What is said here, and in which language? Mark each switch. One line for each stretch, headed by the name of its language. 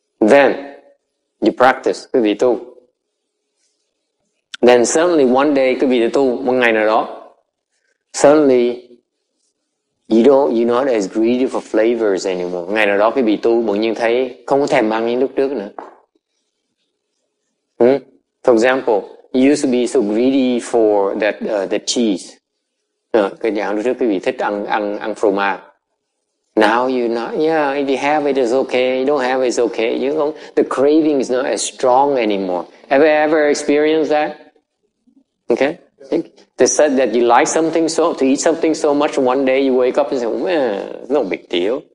English: Then you practice,
Vietnamese: quý vị tu.
English: Then suddenly one day,
Vietnamese: quý vị tu một ngày nào đó,
English: suddenly you're not as greedy for flavors anymore.
Vietnamese: Ngày nào đó quý vị tu bỗng nhiên thấy không có thèm ăn như lúc trước nữa.
English: For example, you used to be so greedy for that the cheese.
Vietnamese: Cái nhà hàng lúc trước quý vị thích ăn phô mai.
English: Now you're not, yeah, if you have it, it's okay. You don't have it, it's okay. You know, the craving is not as strong anymore. Have you ever experienced that? Okay? They said that you like something so, to eat something so much, one day you wake up and say, well, no big deal.